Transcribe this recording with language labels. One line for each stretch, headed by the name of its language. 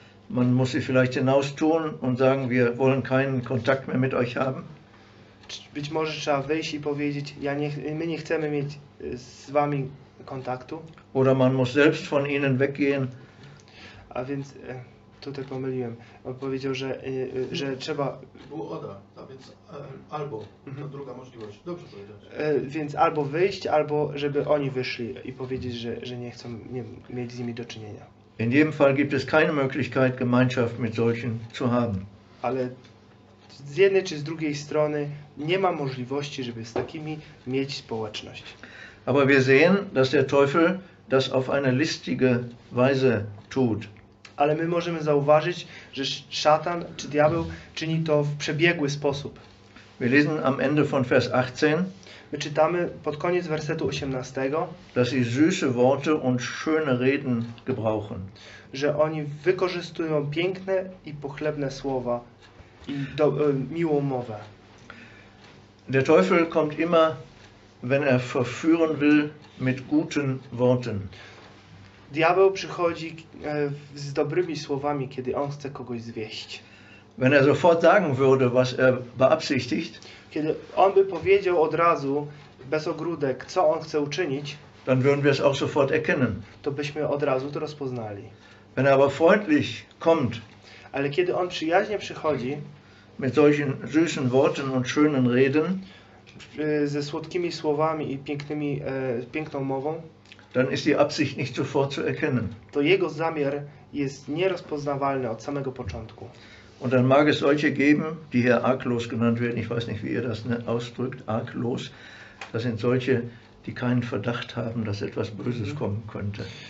German: Man muss sie vielleicht hinaus tun und sagen, wir wollen keinen Kontakt mehr mit euch haben.
Polish: Być może trzeba wyjść i powiedzieć, my nie chcemy mieć z wami kontaktu.
German: Oder man muss selbst von ihnen weggehen.
Polish: A więc tutaj pomyliłem. On powiedział, że trzeba. Było oda, a więc albo. Mhm. To druga możliwość. Dobrze powiedziałeś. Więc albo wyjść, albo żeby oni wyszli i powiedzieć, że nie chcą mieć z nimi do czynienia.
German: In jedem Fall gibt es keine Möglichkeit, Gemeinschaft mit solchen zu haben.
Polish: Ale z jednej czy z drugiej strony nie ma możliwości, żeby z takimi mieć społeczność.
German: Aber wir sehen, dass der Teufel das auf eine listige Weise tut.
Polish: Ale my możemy zauważyć, że szatan czy diabeł czyni to w przebiegły sposób.
German: Wir lesen am Ende von Vers 18.
Polish: My czytamy pod koniec wersetu 18,
German: dass sie süße Worte und schöne Reden gebrauchen.
Polish: Że oni wykorzystują piękne i pochlebne słowa i miłą mowę.
German: Der Teufel kommt immer, wenn er verführen will, mit guten Worten.
Polish: Diabeł przychodzi z dobrymi słowami, kiedy on chce kogoś zwieść.
German: Wenn er sofort sagen würde, was er beabsichtigt,
Polish: kiedy on by powiedział od razu, bez ogródek, co on chce uczynić,
German: dann würden wir es auch sofort erkennen.
Polish: To byśmy od razu to rozpoznali.
German: Wenn er aber freundlich kommt,
Polish: ale kiedy on przyjaźnie przychodzi,
German: mit solchen süßen Worten und schönen Reden,
Polish: ze słodkimi słowami i piękną mową,
German: dann ist die Absicht nicht sofort zu erkennen.
Polish: To jego zamiar jest nierozpoznawalny od samego początku.
German: Und dann mag es solche geben, die hier arglos genannt werden. Ich weiß nicht, wie ihr das ausdrückt, arglos. Das sind solche, die keinen Verdacht haben, dass etwas Böses kommen könnte.